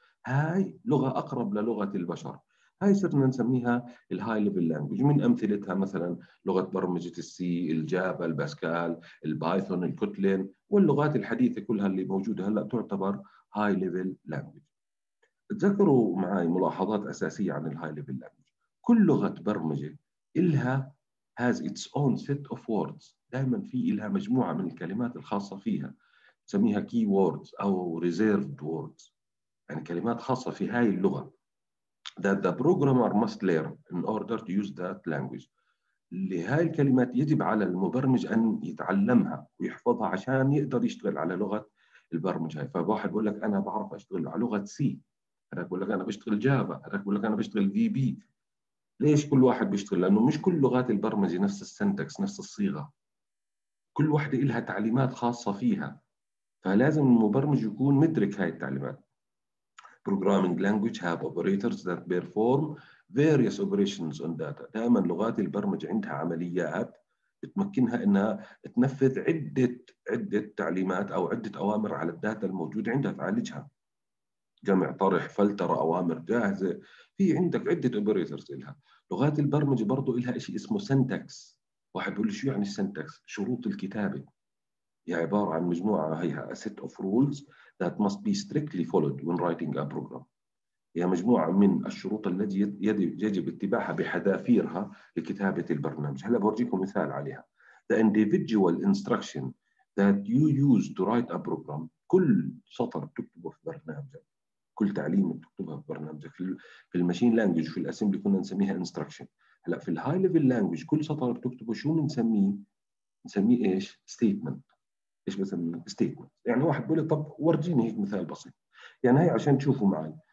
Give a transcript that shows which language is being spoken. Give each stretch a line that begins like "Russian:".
Arabic: هاي لغه اقرب للغه البشر. هاي صرنا نسميها الهاي ليفل لانجويج. من امثلتها مثلا لغه برمجه السي الجافا الباسكال البايثون الكوتلين واللغات الحديثه كلها اللي موجوده هلا تعتبر هاي ليفل لانجويج. تذكروا معي ملاحظات اساسيه عن الهاي ليفل لانجويج. كل لغه برمجه الها
English: has its own set of words.
Arabic: دائما في لها مجموعه من الكلمات الخاصه فيها تسميها keywords او reserved words يعني كلمات خاصه في هاي اللغه
English: that the programmer must learn in order to use that language.
Arabic: لهذه الكلمات يجب على المبرمج أن يتعلمها ويحفظها عشان يقدر يشتغل على لغة البرمجة. فواحد بيقول لك أنا بعرف أشتغل على لغة سي، أنا بقول لك أنا بشتغل جافا، أنا بقول لك أنا بشتغل في بي. ليش كل واحد بيشتغل؟ لأنه مش كل لغات البرمجة نفس السنتكس نفس الصيغة، كل واحدة إلها تعليمات خاصة فيها، فلازم المبرمج يكون مدرك هاي التعليمات.
English: Programming language have operators that perform various operations on data.
Arabic: دائما لغات البرمجة عندها عمليات بتمكنها إنها تنفذ عدة تعليمات أو عدة أوامر على الداتا الموجودة عندها، تعالجها، جمع، طرح، فلترة، أوامر جاهزة، في عندك عدة operators إلها. لغات البرمجة برضو إلها إشي اسمه syntax. واحد بيقول لي شو يعني syntax؟ شروط الكتابة، هي عبارة عن مجموعة، هيها
English: a set of rules that must be strictly followed when writing a program.
Arabic: هي مجموعة من الشروط التي يجب اتباعها بحذافيرها لكتابة البرنامج. هلا بورجيكم مثال عليها.
English: The individual instruction that you use to write a program.
Arabic: كل سطر تكتبه في برنامجك، كل تعليم تكتبها في برنامجك، في الماشين لانجوج في الاسمبلي كنا نسميها instruction. هلا في الهاي ليفل لانجوج كل سطر بتكتبه شو بنسميه؟ نسميه ايش؟ statement. ايش بسميه؟ statement. يعني واحد بيقول طب ورجيني هيك مثال بسيط، يعني هي عشان تشوفوا معي.